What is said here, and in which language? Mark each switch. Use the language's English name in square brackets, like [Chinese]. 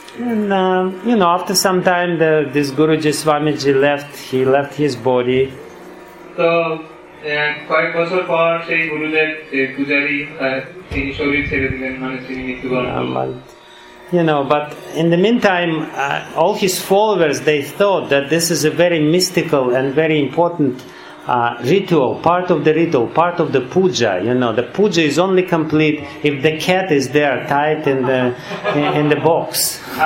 [English] And, you know, after some time, this Guruji Swamiji left, he left his body. So, [Bangla] কয়েক বছর পর সেই গুরুদেব পূজারী তিনি শরীর ছেড়ে দিলেন, মানে তিনি মৃত্যুবরণ করলেন. [English] You know, but in the meantime, all his followers, they thought that this is a very mystical and very important ritual, part of the ritual, part of the puja. You know, the puja is only complete if the cat is there, tied in the box.